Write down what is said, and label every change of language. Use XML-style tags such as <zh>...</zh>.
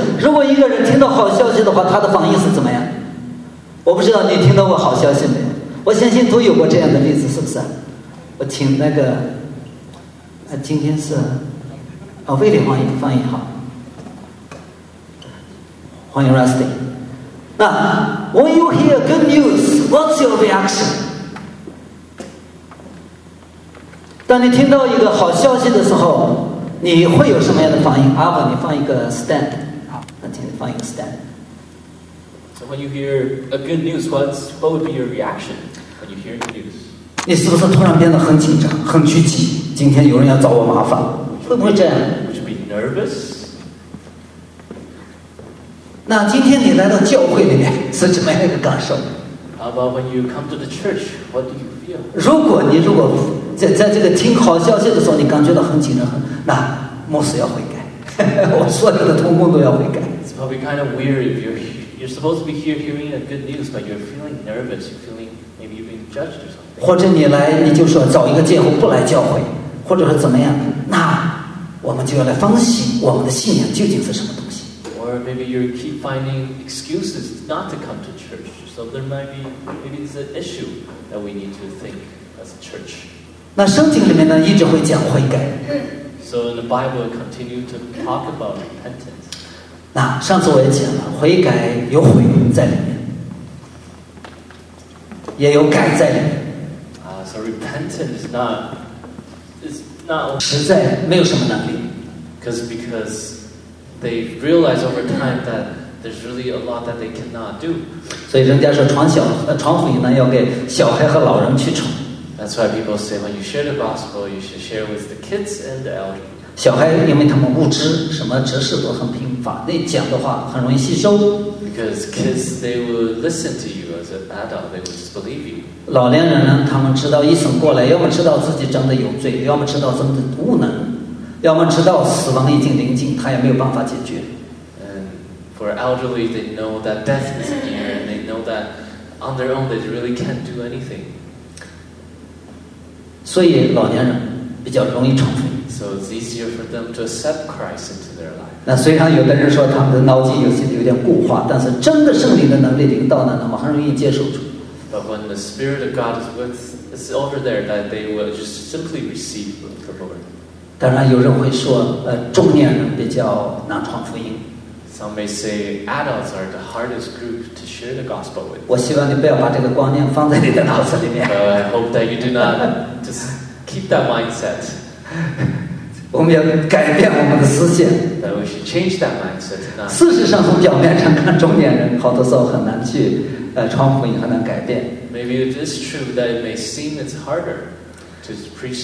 <zh>如果一个人听到好消息的话，他的反应是怎么样？我不知道你听到过好消息没有？我相信都有过这样的例子，是不是？我请那个，今天是啊，魏理欢迎翻译哈，欢迎 Rusty。</zh> <en>那 when you hear good news, what's your reaction?</en> <zh>当你听到一个好消息的时候，你会有什么样的反应？阿宝，你放一个 stand。好，那请你放一个 stand。</zh> <en>So when you hear a good news, what would be your reaction when you hear the news?</en> <zh>你是不是突然变得很紧张、很拘谨？今天有人要找我麻烦，会不会这样</zh> <en>？Would you be nervous?</en> <zh>那今天你来到教会里面是怎么样一个感受</zh> <en>？How about when you come to the church? What do you feel?</en> <zh>如果在这个听好消息的时候，你感觉到很紧张，那牧师要悔改，我所有的同工都要悔改。</zh> <en>It's probably kind of weird if you're supposed to be here hearing a good news, but you're feeling nervous, you're feeling maybe you've been judged or something.</en> <zh>或者你来，你就说找一个借口不来教会，或者说怎么样？那我们就要来分析我们的信仰究竟是什么东西。</zh> <en>Or maybe you keep finding excuses not to come to church. So there might be, maybe it's an issue that we need to think as a church.</en> <zh>那圣经里面呢，一直会讲悔改。</zh> <en>So the Bible continue to talk about repentance.</en> <zh>那上次我也讲了，悔改有悔在里面，也有改在里面。</zh> <en>So repentance is not</en> <zh>实在没有什么能力。</zh> <en>Because they realize over time that there's really a lot that they cannot do.</en> <zh>所以人家说传福音呢，要给小孩和老人去传。</zh> <en>That's why people say when you share the gospel, you should share with the kids and the elderly.</en> <zh>小孩因为他们无知，什么知识都很贫乏，那讲的话很容易吸收。</zh> <en>Because kids, they will listen to you as an adult, they will just believe you.</en> <zh>老年人呢，他们知道一生过来，要么知道自己真的有罪，要么知道真的无能。要么知道死亡已经临近，他也没有办法解决。</zh> <en>And for elderly, they know that death is near, and they know that on their own, they really can't do anything.</en> <zh>所以老年人比较容易传福音。</zh> <en>So it's easier for them to accept Christ into their life.</en> <zh>那虽然有的人说他们的脑筋有点固化，但是真的圣灵的能力临到呢，他们很容易接受住。</zh> <en>But when the Spirit of God is with, it's over there that they will just simply receive the Lord.</en> <zh>当然有人会说中年人比较难传福音。</zh> <en>Some may say adults are the hardest group to share the gospel with.</en> <zh>我希望你不要把这个观念放在你的脑子里面。</zh> <en>I hope that you do not just keep that mindset.</en> <zh>我们要改变我们的思想。</zh> <en>That we should change that mindset.</en> <zh>事实上从表面上看中年人好多时候很难去传福音，很难改变。</zh> <en>Maybe it is true that it may seem it's harder to preach.</en>